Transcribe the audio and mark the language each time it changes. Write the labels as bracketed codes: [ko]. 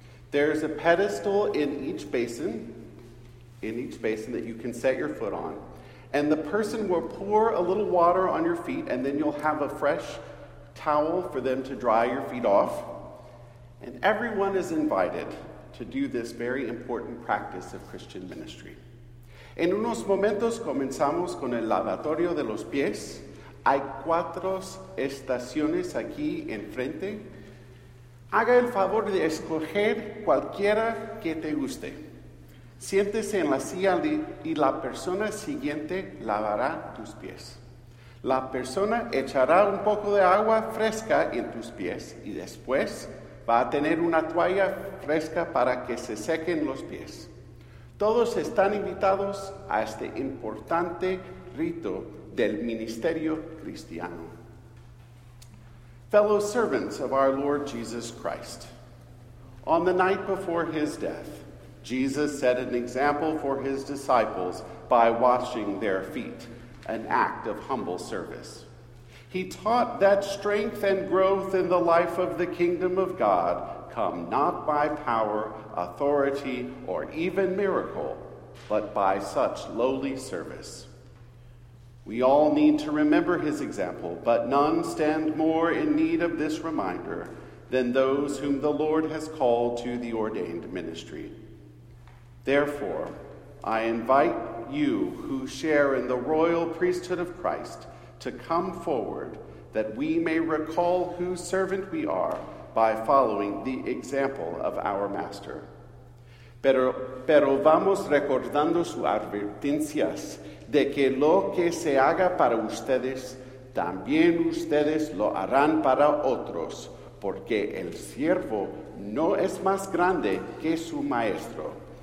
[en] There's a pedestal in each basin that you can set your foot on. And the person will pour a little water on your feet, and then you'll have a fresh towel for them to dry your feet off. And everyone is invited to do this very important practice of Christian ministry. [es] En unos momentos comenzamos con el lavatorio de los pies. Hay cuatro estaciones aquí enfrente. Haga el favor de escoger cualquiera que te guste. Siéntese en la silla y la persona siguiente lavará tus pies. La persona echará un poco de agua fresca en tus pies y después va a tener una toalla fresca para que se sequen los pies. Todos están invitados a este importante rito del ministerio cristiano. [en] Fellow servants of our Lord Jesus Christ, on the night before his death, Jesus set an example for his disciples by washing their feet, an act of humble service. He taught that strength and growth in the life of the kingdom of God come not by power, authority, or even miracle, but by such lowly service. We all need to remember his example, but none stand more in need of this reminder than those whom the Lord has called to the ordained ministry. Therefore, I invite you who share in the royal priesthood of Christ to come forward that we may recall whose servant we are by following the example of our Master. [es] Pero vamos recordando sus advertencias de que lo que se haga para ustedes, también ustedes lo harán para otros, porque el siervo no es más grande que su maestro.